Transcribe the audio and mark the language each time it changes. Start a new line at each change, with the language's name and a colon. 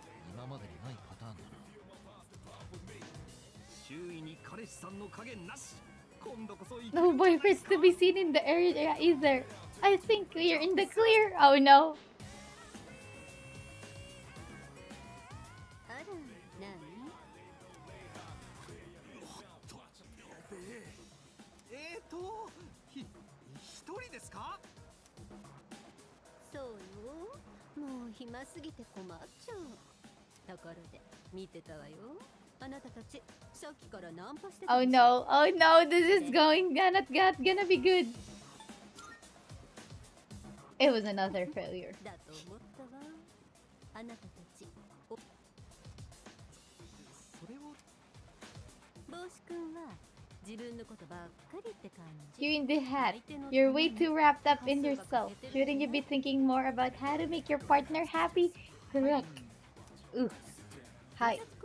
Japanese: 今までにないパターンだな。周囲に彼氏さんの影なし。今度こそ
English: No boyfriends to be seen in the area either. I think we are in the clear. Oh no.
Japanese: あら、なに？一人ですか？そうよ。もう暇すぎて困っちゃう。ところで見てたわよ。あなたたちさっきからナンパしてた。
English: Oh no! Oh no! This is going not gonna be good. It was another failure.
Japanese: だと思ったわ。あなたたち。それは。帽子くんは自分のことばっかりって感じ。
English: You're in the head. You're way too wrapped up in yourself. Shouldn't you be thinking more about how to make your partner happy? Look. Oof. Hi.